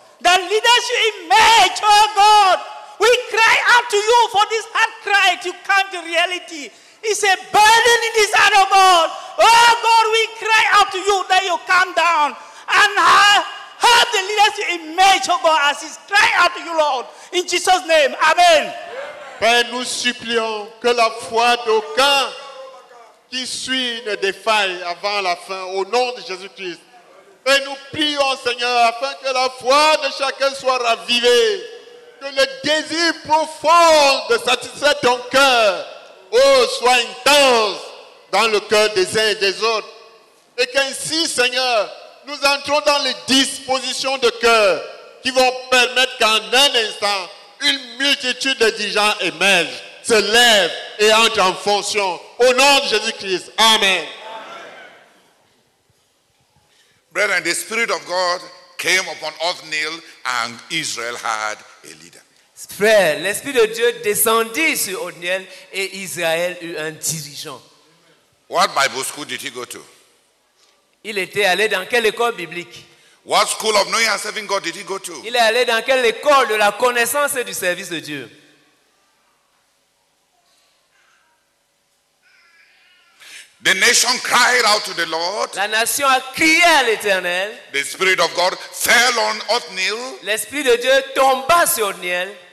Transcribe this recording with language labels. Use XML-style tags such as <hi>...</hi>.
<en>The leadership image, oh God. We cry out to you for this heart cry to come to reality. It's a burden in this heart, oh God. Oh God, we cry out to you that you come down and help the leadership image, oh God, as it's crying out to you, Lord. In Jesus' name, amen.</en> <fr>Père, nous supplions que la foi d'aucun qui suit ne défaille avant la fin, au nom de Jésus-Christ. Et nous prions, Seigneur, afin que la foi de chacun soit ravivée, que le désir profond de satisfaire ton cœur, oh, soit intense dans le cœur des uns et des autres. Et qu'ainsi, Seigneur, nous entrons dans les dispositions de cœur qui vont permettre qu'en un instant, une multitude de dirigeants émergent, se lèvent et entrent en fonction. Au nom de Jésus-Christ. Amen.</fr> <en>Brethren, the Spirit of God came upon Othniel and Israel had a leader.</en> <fr>Frère, l'Esprit de Dieu descendit sur Othniel et Israël eut un dirigeant.</fr> <en>What Bible school did he go to?</en> <fr>Il était allé dans quelle école biblique?</fr> <en>What school of knowing and serving God did he go to?</en> <fr>Il est allé dans quelle école de la connaissance et du service de Dieu?</fr> <en>The nation cried out to the Lord.</en> <fr>La nation a crié à l'Éternel.</fr> <en>The Spirit of God fell on Othniel.</en> <fr>L'Esprit de Dieu tomba sur Othniel.</fr>